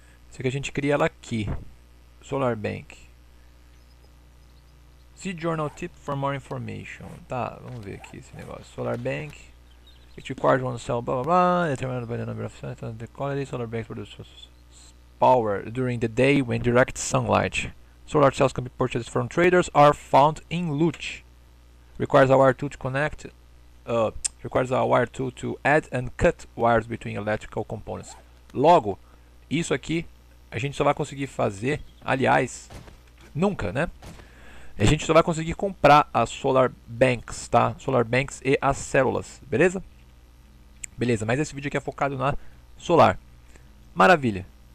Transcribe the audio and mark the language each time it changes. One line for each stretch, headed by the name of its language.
Portuguese: Sei que a gente cria ela aqui, Solar Bank.
English: See Journal Tip for more information.
Portuguese: Tá, vamos ver aqui esse negócio. Solar Bank.
English: It requires one cell, blá blá blá, determined by the number of cells and the quality. Solar Bank produces power during the day when direct sunlight. Solar cells can be purchased from traders or found in loot. Requires a wire tool to connect. Requires a wire tool to add and cut wires between electrical components.
Portuguese: Logo, isso aqui a gente só vai conseguir fazer, aliás, nunca, né? A gente só vai conseguir comprar as solar banks, tá? Solar banks e as células, beleza? Beleza, mas esse vídeo aqui é focado na solar. Maravilha.